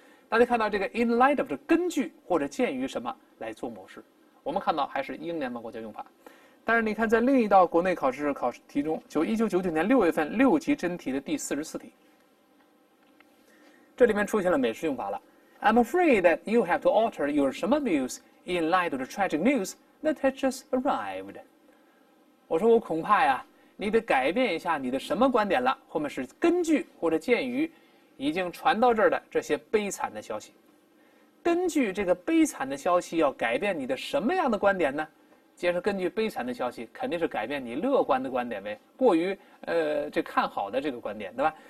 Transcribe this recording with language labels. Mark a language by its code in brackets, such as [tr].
[zh] 大家看到这个 [en] in light of [zh] 的根据或者鉴于什么来做模式，我们看到还是英联邦国家用法。但是你看在另一道国内考试考试题中，就1999年6月份六级真题的第44题，这里面出现了美式用法了。 [en] I'm afraid that you have to alter your summer views in light of the tragic news that has just arrived. [zh] 我说我恐怕呀，你得改变一下你的什么观点了，后面是根据或者鉴于已经传到这儿的这些悲惨的消息。根据这个悲惨的消息要改变你的什么样的观点呢？接着根据悲惨的消息肯定是改变你乐观的观点呗，过于这看好的这个观点，对吧？